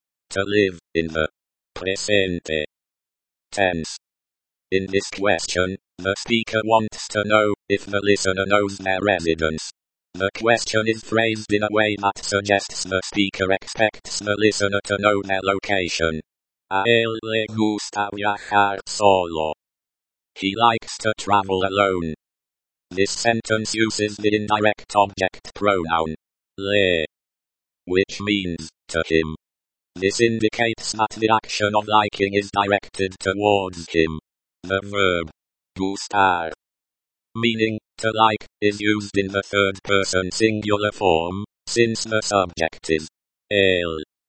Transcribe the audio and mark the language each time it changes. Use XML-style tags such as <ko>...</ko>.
<en>To live in the</en> <es>presente</es> <en>tense. In this question, the speaker wants to know if the listener knows their residence. The question is phrased in a way that suggests the speaker expects the listener to know their location.</en> <es>A él le gusta viajar solo.</es> <en>He likes to travel alone. This sentence uses the indirect object pronoun, le, which means, to him. This indicates that the action of liking is directed towards him. The verb, gustar, meaning, to like, is used in the third person singular form, since the subject is, él.</en>